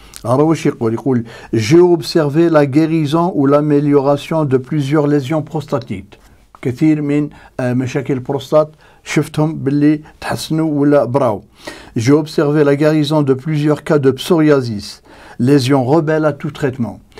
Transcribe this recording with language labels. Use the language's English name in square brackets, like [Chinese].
[French] Alors, [Arabic] واش يقول؟ [French] يقول j'ai observé la guérison ou l'amélioration de plusieurs lésions prostatiques. [Arabic] كثير من مشاكل البروستات شفتهم باللي تحسنوا ولا براو. [French] J'ai observé la guérison de plusieurs cas de psoriasis, lésion rebelle à tout traitement.